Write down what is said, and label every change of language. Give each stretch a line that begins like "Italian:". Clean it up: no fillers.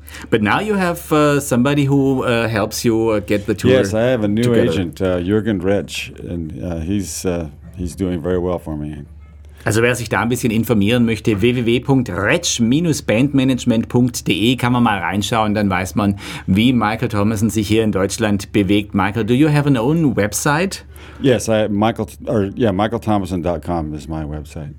English: But now you have somebody who helps you get the tour. Yes, I have a new agent, Jürgen Retsch, and he's doing very well for me.
German: Also wer sich da ein bisschen informieren möchte, www.retsch-bandmanagement.de, kann man mal reinschauen, dann weiß man, wie Michael Thomason sich hier in Deutschland bewegt.
English: Michael, do you have an own website? Yes, michaelthomason.com is my website.